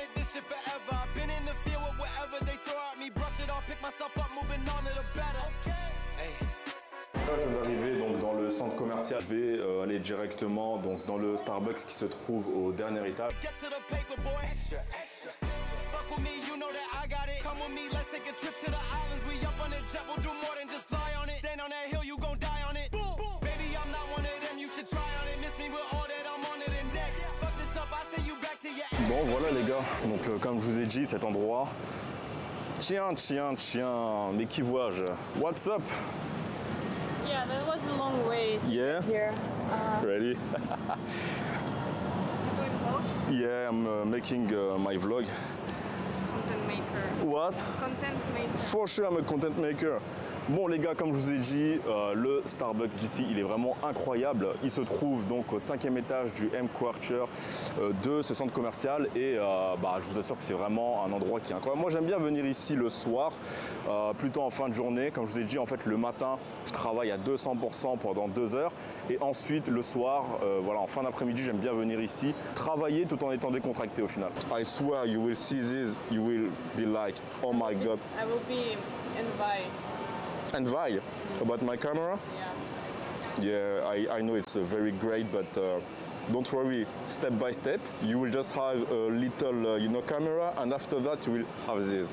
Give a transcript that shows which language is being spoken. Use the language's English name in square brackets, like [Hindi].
[English] Forever, I've been in the field with whatever they throw at me. Brush it off, pick myself up, moving on to the better. Okay. [French] Je viens d'arriver donc dans le centre commercial. Je vais aller directement donc dans le Starbucks qui se trouve au dernier étage. [English] Get to the paper, boy. Fuck with me, you know that I got it. Come with me, let's take a trip to the islands. We up on the jet, we'll do more than just fly on it. Stand on that hill, you gon' die on it. Boom. Baby, I'm not one of them, you should try on it. Miss me with all that, I'm on it index. Fuck this up, I'll send you back to your. [French] Bon voilà les gars, donc comme je vous ai dit, cet endroit, tiens, mais qui vois-je? [English] What's up? Yeah, that was a long way. Yeah? Here. Ready? Yeah, I'm making my vlog. Content maker. What? Content maker. For sure, I'm a content maker. [French] Bon les gars, comme je vous ai dit, le Starbucks d'ici, il est vraiment incroyable. Il se trouve donc au 5e étage du M Quartier de ce centre commercial et je vous assure que c'est vraiment un endroit qui est incroyable. Moi j'aime bien venir ici le soir, plutôt en fin de journée. Comme je vous ai dit, en fait le matin, je travaille à 200% pendant 2 heures et ensuite le soir, en fin d'après-midi, j'aime bien venir ici travailler tout en étant décontracté au final. [English] I swear you will see this, you will be like, oh my god. I will be in Dubai. And why? About my camera? Yeah. Yeah, I know it's very great, but don't worry. Step by step, you will just have a little, camera, and after that, you will have this.